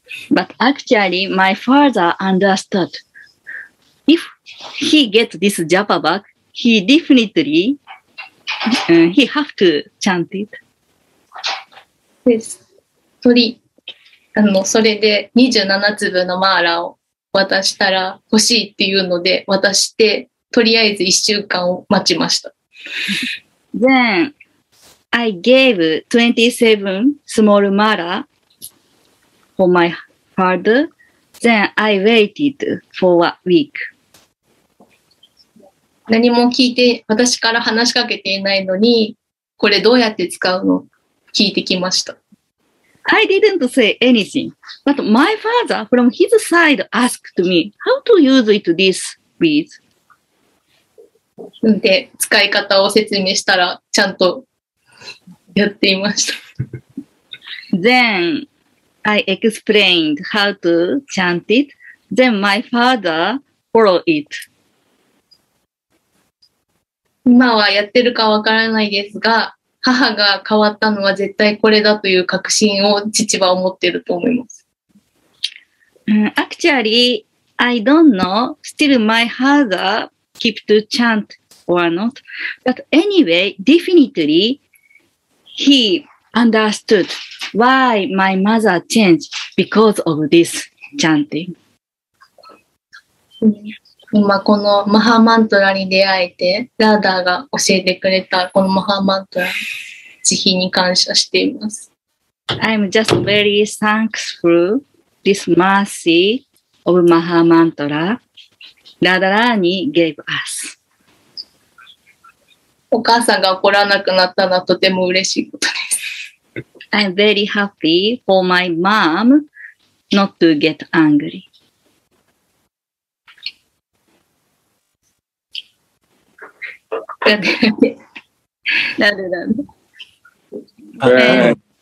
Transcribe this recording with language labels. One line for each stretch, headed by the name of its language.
English: But actually, my father understood. If he gets this japa bag,He definitely, he have to chant it. Yes.
Japanese: それで27粒のマーラを渡したら欲しいっていうので渡して、とりあえず1週間を待ちました。
English: Then, I gave 27 small mara for my father. Then I waited for a week.
Japanese: 何も聞いて、私から話しかけていないのに、これどうやって使うの？聞いてきました。
English: I didn't say anything, but my father from his side asked me how to use it this bead.
Japanese: で、使い方を説明したら、ちゃんとやっていました。
English: Then I explained how to chant it. Then my father followed it.
Japanese: 今はやってるかわからないですが、母が変わったのは絶対これだという確信を父は思っていると思います。
English: Actually, I don't know. Still, my father keep to chant or not. But anyway, definitely, he understood why my mother changed because of this chanting.
Japanese: まあ、このマハマントラに出会えて、ラーダーが教えてくれたこのマハマントラ、慈悲に感謝しています。
English: I'm just very thankful this mercy of Maha Mantra Radha Rani gave us.
Japanese: お母さんが怒らなくなったのはとても嬉しいことです。
English: I'm very happy for my mom not to get angry.
Japanese: なんでなんで。